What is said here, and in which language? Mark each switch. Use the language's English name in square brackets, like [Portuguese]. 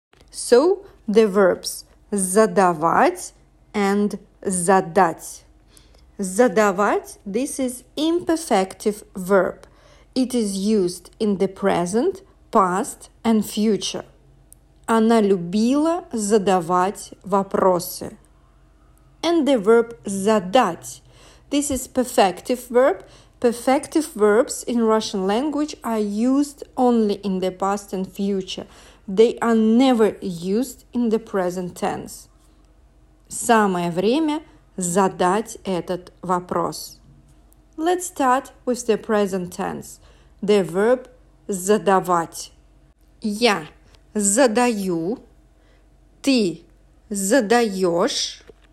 [English] So, the verbs задавать and задать. Задавать, this is imperfective verb. It is used in the present, past and future. [Russian] Она любила задавать вопросы. [English] And the verb задать. This is perfective verb. Perfective verbs in Russian language are used only in the past and future. They are never used in the present tense. [Russian] Самое время задать этот вопрос. [English] Let's start with the present tense. The verb задавать. [Russian] Я задаю. Ты задаешь.